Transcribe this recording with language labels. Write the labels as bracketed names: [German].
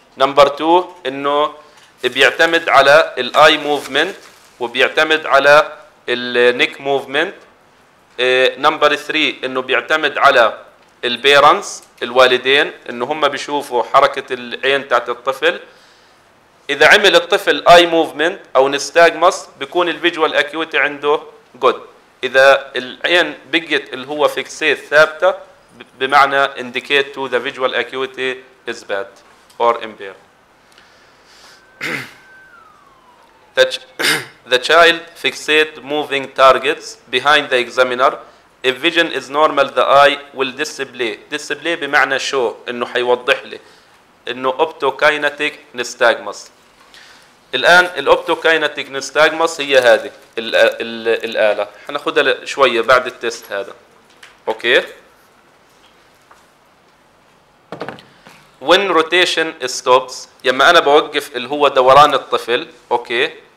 [Arabic] نمبر 2 انه بيعتمد على الاي موفمنت وبيعتمد على النيك موفمنت. نمبر 3 انه بيعتمد على البيرنتس الوالدين، انه هم بيشوفوا حركه العين تاعت الطفل. اذا عمل الطفل اي موفمنت او نستاجمس بيكون الفيجوال اكيوتي عنده جود. إذا العين بقيت اللي هو فيكسيت ثابتة، بمعنى [English] indicate to the visual acuity is bad or impaired. The child fixate moving targets behind the examiner. If vision is normal, the eye will display. [Arabic] Display بمعنى show، إنه حيوضح لي إنه optokinetic nystagmus. الآن الأوبتوكاينتيك نستاجمس هي هذه الآلة، حناخدها شوية بعد التست هذا. أوكي، [English] when rotation stops، [Arabic] لما أنا بوقف اللي هو دوران الطفل، أوكي،